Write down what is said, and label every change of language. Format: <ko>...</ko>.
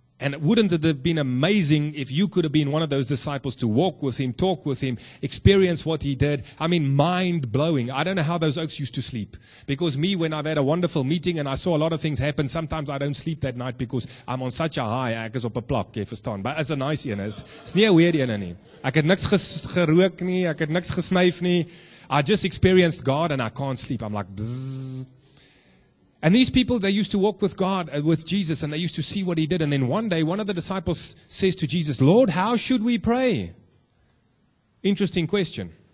<en>And wouldn't it have been amazing if you could have been one of those disciples to walk with him, talk with him, experience what he did? I mean, mind-blowing. I don't know how those oaks used to sleep. Because me, when I've had a wonderful meeting and I saw a lot of things happen, sometimes I don't sleep that night because I'm on such a high,</en> <af>ek is op 'n plak, jy verstaan.</af> <en>But as a nice</en> <af>een is, it's nie 'n weird een nie. Ek het niks gerook nie, ek het niks gesnyf nie.</af> <en>I just experienced God and I can't sleep. I'm like, bzzz. And these people, they used to walk with God, with Jesus, and they used to see what he did. And then one day, one of the disciples says to Jesus, Lord, how should we pray? Interesting question.</en>